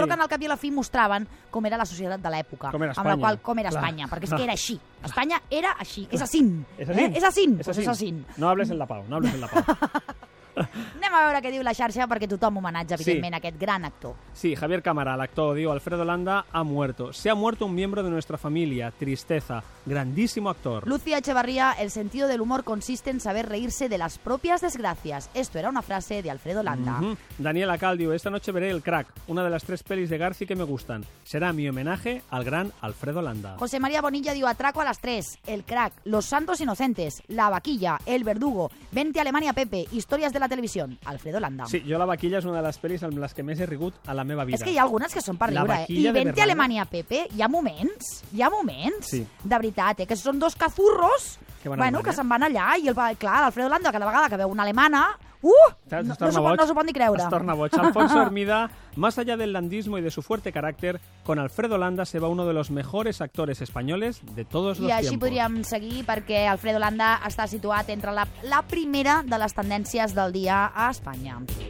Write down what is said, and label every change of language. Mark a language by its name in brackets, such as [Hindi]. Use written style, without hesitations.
[Catalan] Però que en el cap i a la fi mostraven com era la societat de l'època. Com era Espanya. Amb la qual, com era Espanya, perquè és que era així. Espanya era així. És així. És així. És així. [Spanish] No hables en la Pau. [Catalan] Anem Anem a veure què diu la xarxa, perquè tothom homenatja, evidentment, sí, aquest gran actor. Sí, Javier Cámara, l'actor, diu: [Spanish] Alfredo Landa ha muerto. Se ha muerto un miembro de nuestra familia. Tristeza. Grandísimo actor. Lucía Echevarría: el sentido del humor consiste en saber reírse de las propias desgracias. Esto era una frase de Alfredo Landa. Mm-hmm. Daniela Caldio: esta noche veré El Crack, una de las tres pelis de García que me gustan. Será mi homenaje al gran Alfredo Landa. José María Bonilla dio Atraco a las tres, El Crack, Los Santos Inocentes, La Vaquilla, El Verdugo, Vente a Alemania Pepe, Historias de la Televisión, Alfredo Landa. Sí, yo La Vaquilla es una de las pelis en las que más [Catalan] he rigut a la meva vida. [Spanish] Es que hay algunas que son para riure, eh? [Catalan] Y Vente a Alemania Pepe, hi ha moments, sí, de veritat, que son dos cazurros que, que se'n van allà, i el, clar, Alfredo Landa, cada vegada que veu una alemana, Es torna boig. [Spanish] Alfonso Hermida: más allá del landismo y de su fuerte carácter, con Alfredo Landa se va uno de los mejores actores españoles de todos los tiempos. [Catalan] I així podríem seguir, perquè Alfredo Landa està situat entre la primera de les tendències del dia a Espanya.